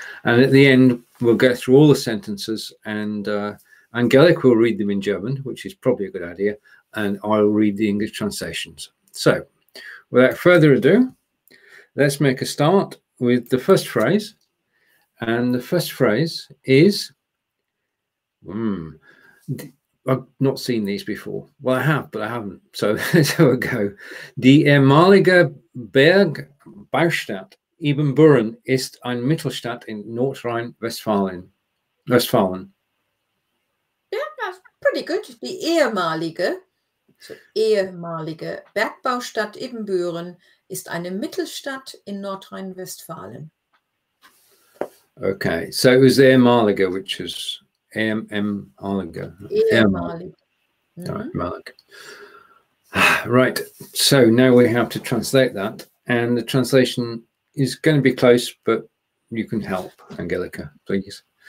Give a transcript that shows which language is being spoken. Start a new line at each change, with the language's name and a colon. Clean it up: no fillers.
English: And at the end, we'll go through all the sentences, and Angelika will read them in German, which is probably a good idea, and I'll read the English translations. So, without further ado, let's make a start with the first phrase. And the first phrase is, I've not seen these before. Well, I have, but I haven't. So let's have a go.
German: Die ehemalige Bergbaustadt Ibbenbüren ist ein Mittelstadt in North Rhine-Westfalen. Westfalen.
English: Yeah, that's pretty good.
German: Die ehemalige, ehemalige Bergbaustadt Ibbenbüren ist eine Mittelstadt in Nordrhein-Westfalen.
English: Okay, so it was ehemalige, which is Right, so now we have to translate that, and the translation is going to be close, but you can help, Angelika, please.